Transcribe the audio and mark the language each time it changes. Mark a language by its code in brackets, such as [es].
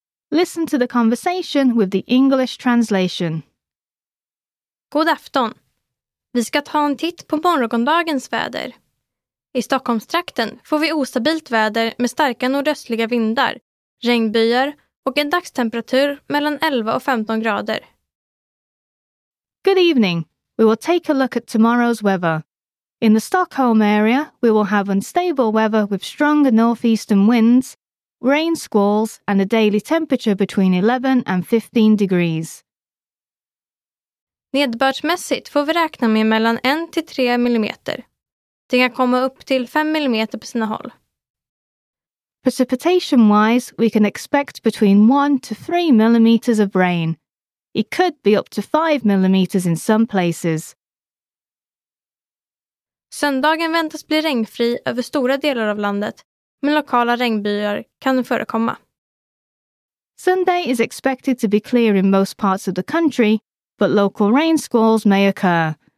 [en] Listen to the conversation with the English translation. [sv] God afton. Vi ska ta en titt på morgondagens väder. I Stockholmstrakten får vi ostabilt väder med starka nordöstliga vindar, regnbyar och en dagstemperatur mellan 11 och 15 grader. [en] Good evening. We will take a look at tomorrow's weather. In the Stockholm area, we will have unstable weather with strong northeastern winds, rain squalls, and a daily temperature between 11 and 15 degrees. [sv] Nedbördsmässigt får vi räkna med mellan 1 till 3 mm. Det kan komma upp till 5 mm på sina håll. [en] Precipitation-wise, we can expect between 1 to 3 mm of rain. It could be up to 5 mm in some places. [sv] Söndagen väntas bli regnfri över stora delar av landet, men lokala regnbyar kan förekomma. [en] Sunday is expected to be clear in most parts of the country, but local rain squalls may occur.